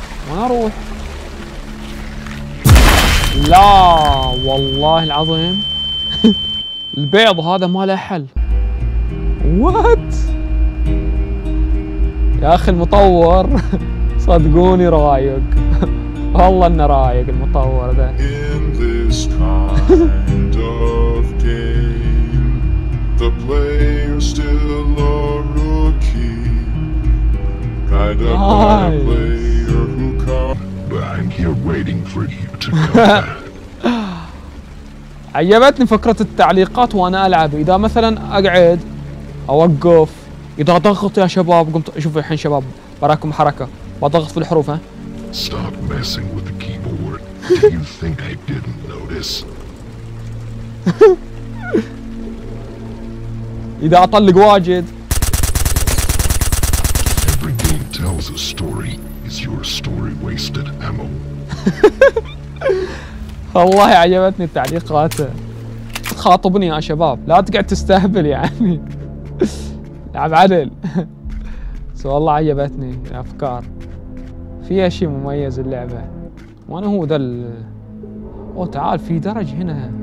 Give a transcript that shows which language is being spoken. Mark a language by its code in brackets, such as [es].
[ar] وين اروح؟ لا والله العظيم. البيض هذا ما له حل. What? يا اخي المطور صدقوني رايق. والله انه رايق المطور ده. [en] In this kind of game, the player still a rookie. Guide up by a player who comes. But I'm here waiting for you to come. [ar] عجبتني فكرة التعليقات وانا العب. اذا مثلا اقعد اوقف إذا ضغط يا شباب قمت شوفوا الحين شباب براكم حركة بضغط في الحروف ها. [en] Stop messing with the keyboard. Do you think I didn't notice? [ar] إذا أطلق واجد. [en] Every game tells a story. Is your story wasted ammo? [ar] والله عجبتني التعليقات. تخاطبني يا شباب لا تقعد تستهبل يعني. لعب عدل. سو والله عجبتني الافكار. فيها شيء مميز اللعبه. وانا هو ذا دل... او تعال في درج هنا.